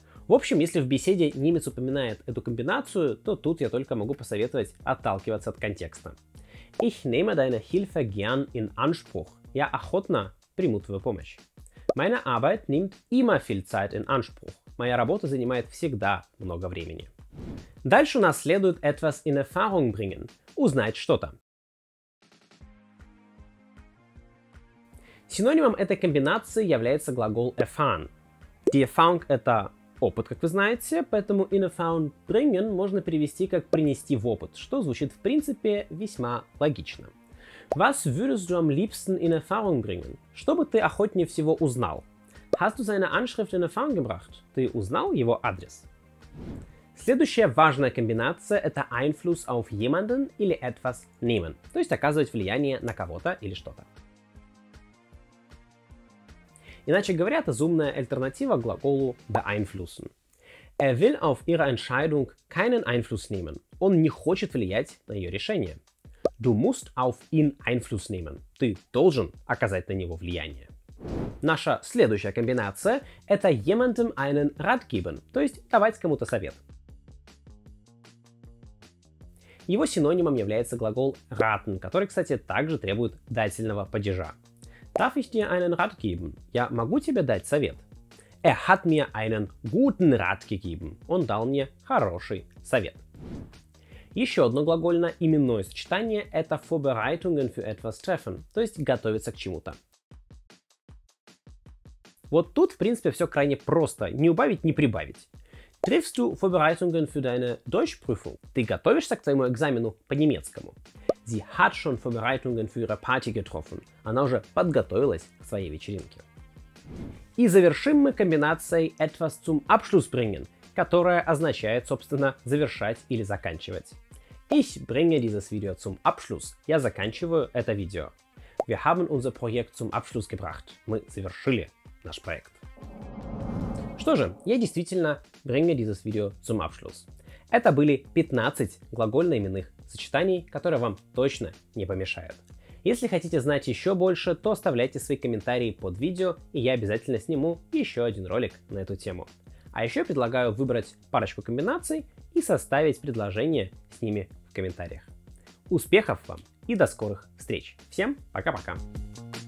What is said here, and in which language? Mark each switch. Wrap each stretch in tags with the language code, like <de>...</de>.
<ru>В общем, если в беседе немец упоминает эту комбинацию, то тут я только могу посоветовать отталкиваться от контекста.</ru> <de>Ich nehme deine Hilfe gern in Anspruch.</de> <ru>Я охотно приму твою помощь.</ru> <de>Meine Arbeit nimmt immer viel Zeit in Anspruch.</de> <ru>Моя работа занимает всегда много времени. Дальше у нас следует</ru> <de>etwas in Erfahrung bringen.</de> <ru>Узнать что-то. Синонимом этой комбинации является глагол erfahren. Die Erfahrung – это опыт, как вы знаете, поэтому</ru> <de>in Erfahrung bringen</de> <ru>можно перевести как принести в опыт, что звучит в принципе весьма логично.</ru> <de>Was würdest du am liebsten in Erfahrung bringen?</de> <ru>Что бы ты охотнее всего узнал?</ru> <de>Hast du seine Anschrift in Erfahrung gebracht?</de> <ru>Ты узнал его адрес? Следующая важная комбинация – это</ru> <de>Einfluss auf jemanden</de> <ru>или</ru> <de>etwas nehmen,</de> <ru>то есть оказывать влияние на кого-то или что-то. Иначе говоря, это умная альтернатива глаголу beeinflussen.</ru> <de>Er will auf ihre Entscheidung keinen Einfluss nehmen.</de> <ru>Он не хочет влиять на ее решение.</ru> <de>Du musst auf ihn Einfluss nehmen.</de> <ru>Ты должен оказать на него влияние. Наша следующая комбинация – это</ru> <de>jemandem einen Rat geben,</de> <ru>то есть давать кому-то совет. Его синонимом является глагол raten, который, кстати, также требует дательного падежа.</ru> <de>Darf ich dir einen Rat geben?</de> <ru>Я могу тебе дать совет.</ru> <de>Er hat mir einen guten Rat gegeben.</de> <ru>Он дал мне хороший совет. Еще одно глагольно-именное сочетание – это</ru> <de>Vorbereitungen für etwas treffen,</de> <ru>то есть готовиться к чему-то. Вот тут, в принципе, все крайне просто – не убавить, не прибавить.</ru> <de>Triffst du Vorbereitungen für deine Deutschprüfung?</de> <ru>Ты готовишься к твоему экзамену по немецкому.</ru> <de>Sie hat schon Vorbereitungen für ihre Party getroffen.</de> <ru>Она уже подготовилась к своей вечеринке. И завершим мы комбинацией</ru> <de>etwas zum Abschluss bringen,</de> <ru>которая означает, собственно, завершать или заканчивать.</ru> <de>Ich bringe dieses Video zum Abschluss.</de> <ru>Я заканчиваю это видео.</ru> <de>Wir haben unser Projekt zum Abschluss gebracht.</de> <ru>Мы завершили наш проект. Что же, я действительно</ru> <de>bringe dieses Video zum Abschluss.</de> <ru>Это были 15 глагольно-именных сочетаний, которые вам точно не помешают. Если хотите знать еще больше, то оставляйте свои комментарии под видео, и я обязательно сниму еще один ролик на эту тему. А еще предлагаю выбрать парочку комбинаций и составить предложение с ними в комментариях. Успехов вам и до скорых встреч. Всем пока-пока.</ru>